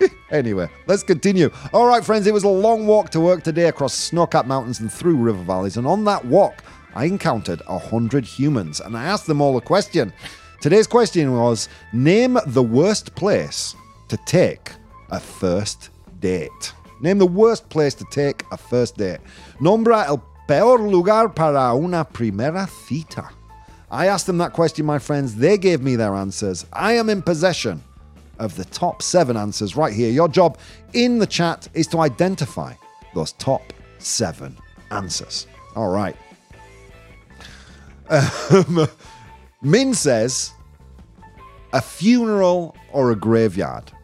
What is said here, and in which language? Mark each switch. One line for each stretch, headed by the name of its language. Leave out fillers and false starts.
English: Anyway, let's continue. All right, friends, it was a long walk to work today across snow-capped mountains and through river valleys. And on that walk, I encountered 100 humans. And I asked them all a question. Today's question was, name the worst place to take a first date. Name the worst place to take a first date.
Spanish: Nombra el peor lugar para una primera cita.
English: I asked them that question, my friends. They gave me their answers. I am in possession of the top 7 answers right here. Your job in the chat is to identify those top 7 answers. All right. Min says, a funeral or a graveyard?